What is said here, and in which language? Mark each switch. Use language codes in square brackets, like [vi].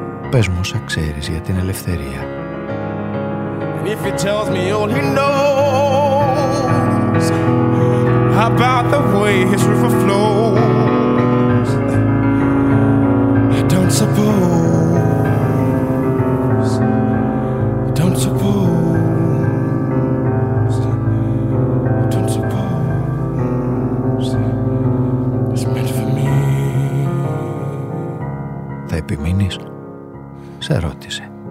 [el] Πες μου όσα ξέρεις για την ελευθερία. [en] If he tells me all he knows about the way his river flows, I don't suppose, I don't suppose, I don't suppose it's meant for me. [el] Θα επιμείνεις, σε ρώτησε.